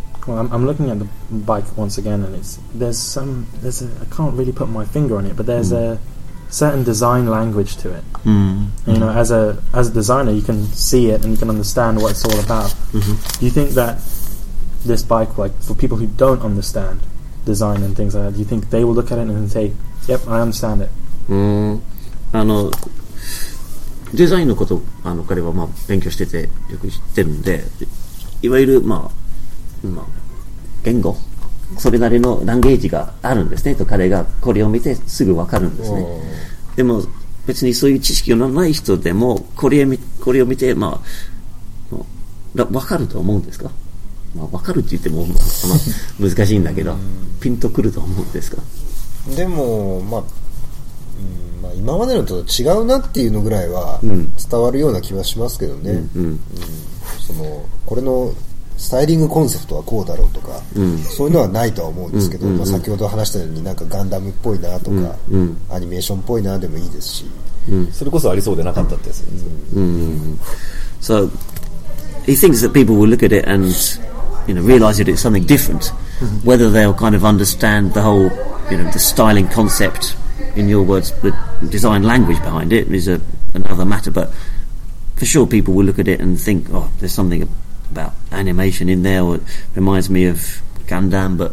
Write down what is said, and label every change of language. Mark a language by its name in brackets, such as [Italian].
[English] Well, I'm looking at the bike once again, and I can't really put my finger on it, but there's a certain design language to it. Mm. You know, as a designer, you can see it and you can understand what it's all about. Mm-hmm. Do you think that this bike, like, for people who don't understand design and things like that, do you think they will look at it and say, yep, I understand it? Mm. [Japanese] デザインのこと、彼は、まあ、勉強してて、よく知ってるんで、いわゆる、まあ、まあ、言語、それなりのランゲージがあるんですね、と彼がこれを見てすぐわかるんですね。でも、別にそういう知識のない人でも、これを見て、まあ、わかると思うんですか？まあ、わかるって言っても、まあ、難しいんだけど、ピンとくると思うんですか？でも、まあ、まあ、今までのと違うなっていうのぐらいは伝わるような気はしますけどね、うんうん、そのこれのスタイリングコンセプトはこうだろうとか、うん、そういうのはないとは思うんですけど、うんうんうん、まあ、先ほど話したようになんかガンダムっぽいなとか、うんうん、アニメーションっぽいなでもいいですし、うん、それこそありそうでなかったってやつですよね、うんうんうん、 [English] So he thinks that people will look at it and you know, realize that it's something different whether they'll kind of understand the whole you know, the styling conceptin your words, the design language behind it is another matter, but for sure people will look at it and think, oh, there's something about animation in there, or it reminds me of Gundam.